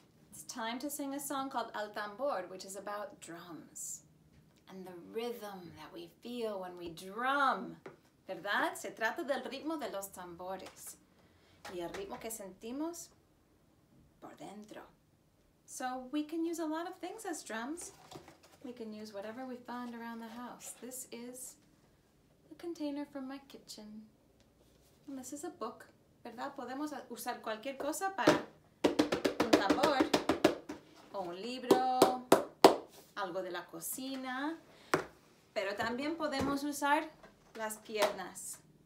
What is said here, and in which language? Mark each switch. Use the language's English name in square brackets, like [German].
[English] It's time to sing a song called Al Tambor, which is about drums and the rhythm that we feel when we drum. [Spanish] ¿Verdad? Se trata del ritmo de los tambores y el ritmo que sentimos por dentro. [English] So we can use a lot of things as drums. We can use whatever we find around the house. This is a container from my kitchen. And this is a book. [Spanish] ¿Verdad? Podemos usar cualquier cosa para un tambor o un libro, algo de la cocina. Pero también podemos usar las piernas.